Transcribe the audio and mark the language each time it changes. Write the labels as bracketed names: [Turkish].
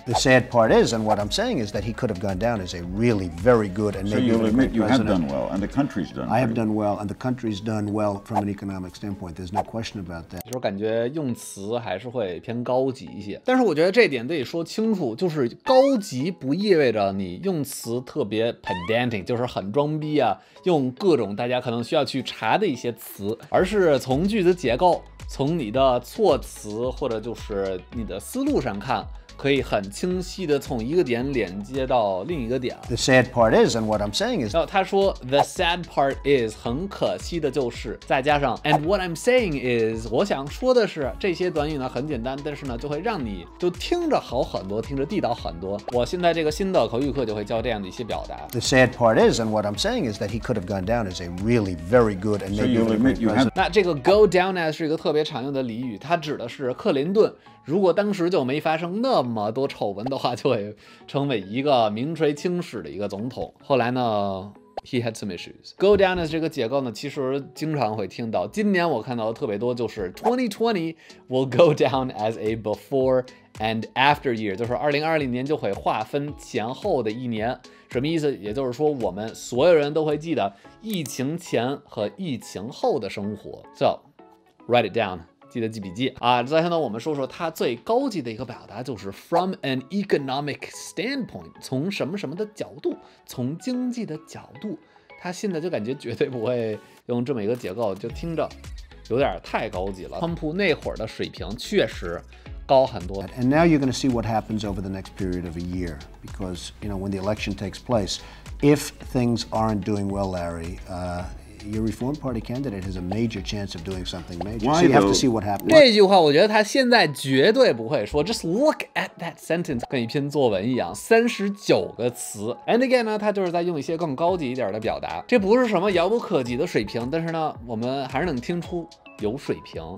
[English] The sad part is, and what I'm saying is that he could have gone down as a really very good and maybe a great So you'll admit you have done well, and the country's done. I have done well, and the country's done well from an economic standpoint. There's no question about that. [Chinese] 就是感觉用词还是会偏高级一些，但是我觉得这点得说清楚，就是高级不意味着你用词特别 pedantic， 就是很装逼啊，用各种大家可能需要去查的一些词，而是从句子结构。从你的措辞或者就是你的思路上看，可以很清晰的从一个点连接到另一个点。 [English] The sad part is, and what I'm saying is， [Chinese] 他说 [English] the sad part is， [Chinese] 很可惜的就是，再加上 [English] and what I'm saying is， [Chinese] 我想说的是，这些短语呢很简单，但是呢就会让你就听着好很多，听着地道很多。我现在这个新的口语课就会教这样的一些表达。 [English] The sad part is, and what I'm saying is that he could have gone down as a really very good and maybe a great president. [Chinese] 那这个 go down as 是一个特别常用的俚语，它指的是克林顿。如果当时就没发生那么多丑闻的话，就会成为一个名垂青史的一个总统。后来呢 ， [English] he had some issues. [Chinese] Go down as 这个结构呢，其实经常会听到。今年我看到的特别多，就是 [English] 2020 will go down as a before and after year， [Chinese] 就是2020年就会划分前后的一年。什么意思？也就是说，我们所有人都会记得疫情前和疫情后的生活。 [English] So write it down. [Chinese] 记得记笔记啊！再下呢，我们说说它最高级的一个表达，就是 from an economic standpoint， 从什么什么的角度，从经济的角度，他现在就感觉绝对不会用这么一个结构，就听着有点太高级了。川普那会儿的水平确实高很多。 [English] And now you're going to see what happens over the next period of a year, because you know when the election takes place, if things aren't doing well, Larry. Your Reform Party candidate has a major chance of doing something major. Why, so you have to see what happens. [Chinese] 这句话我觉得他现在绝对不会说。 [English] Just look at that sentence， [Chinese] 跟一篇作文一样，39个词。 [English] And again [Chinese] 呢，他就是在用一些更高级一点的表达。这不是什么遥不可及的水平，但是呢，我们还是能听出有水平。